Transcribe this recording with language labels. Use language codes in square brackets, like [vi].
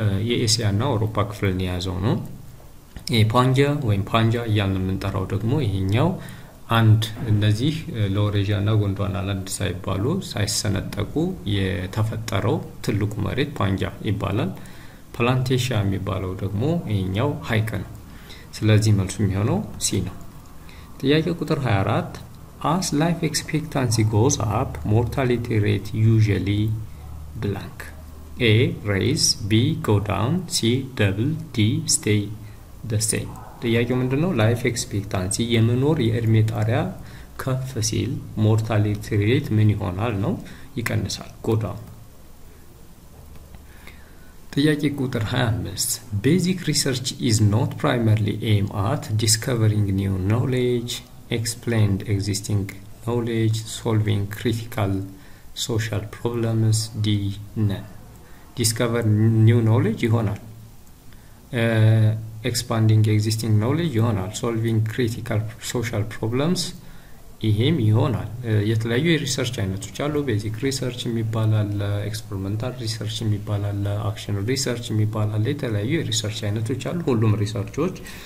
[am] የኤሲያ እና አውሮፓ ክፍልን የያዘው ነው። የፓንጃ ወይም ፓንጃ እያልን የምንጠራው ደግሞ ይሄኛው አንድ እነዚህ ላውሬዥያ እና ጎንዶዋናላንድ ሳይባሉ ሳይሰነጠቁ የተፈጠረው ትልቁ መሬት ፓንጃ ይባላል። ፕላንቴሽያ የሚባለው ደግሞ ይሄኛው ሀይቅ ነው። ስለዚህ መልሱ የሚሆነው ሲ ነው። ጥያቄ ቁጥር 24 [en] As life expectancy goes up, mortality rate usually blank. A. Raise B. Go down C. Double D. Stay the same [am] ጥያቄው ምንድነው? ላይፍ ኤክስፔክታንሲ የመኖር የእድሜ ጣሪያ ከፍ ሲል ሞርታሊቲ ሬት ምን ይሆናል ነው? ይቀንሳል ጎ ዳውን። ጥያቄ ቁጥር 25 [en] Basic research is not primarily aimed at discovering new knowledge, explained existing knowledge, solving critical social problems, D. None discover new knowledge [am] ይሆናል [en] expanding existing knowledge [am] ይሆናል [en] solving critical social problems [am] ይሄም ይሆናል የተለያዩ ሪሰርች አይነቶች አሉ [en] basic research [am] የሚባላል [en] experimental research [am] የሚባላል [en] action research [am] የሚባላል የተለያዩ ሪሰርች አይነቶች አሉ ሁሉም ሪሰርቾች